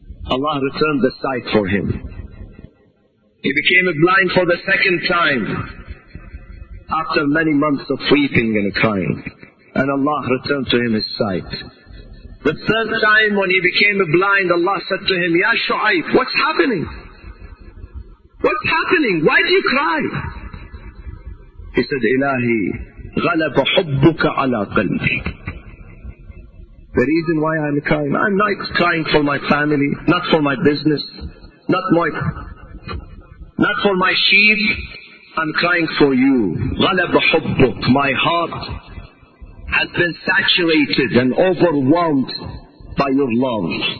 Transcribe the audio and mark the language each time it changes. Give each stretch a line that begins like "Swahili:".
English: Allah returned the sight for him. He became a blind for the second time after many months of weeping and crying. And Allah returned to him his sight. The third time when he became a blind, Allah said to him, Ya Shu'aib, what's happening? What's happening? Why do you cry? He said,
Arabic: Ilahi, غَلَبَ حُبُّكَ عَلَىٰ قَلْبِ.
English: The reason why I'm crying, I'm not crying for my family, not for my business, not for my sheep, I'm crying for you.
Arabic: غَلَبَ حُبُّكَ.
English: My heart has been saturated and overwhelmed by your love.